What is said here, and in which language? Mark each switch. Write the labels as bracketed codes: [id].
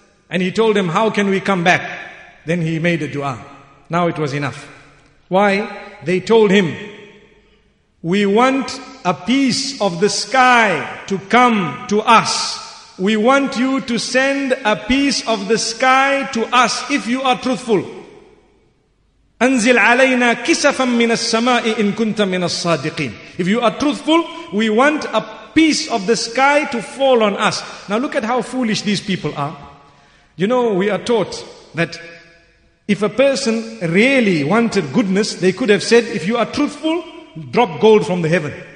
[en] And he told him, how can we come back? Then he made a dua. Now it was enough. Why? They told him, we want a piece of the sky to come to us. We want you to send a piece of the sky to us if you are truthful. [ar] أنزل علينا كسفا من السماء إن كنت من الصادقين. [en] If you are truthful, we want a piece of the sky to fall on us. Now look at how foolish these people are. You know, we are taught that if a person really wanted goodness, they could have said, if you are truthful, drop gold from the heaven.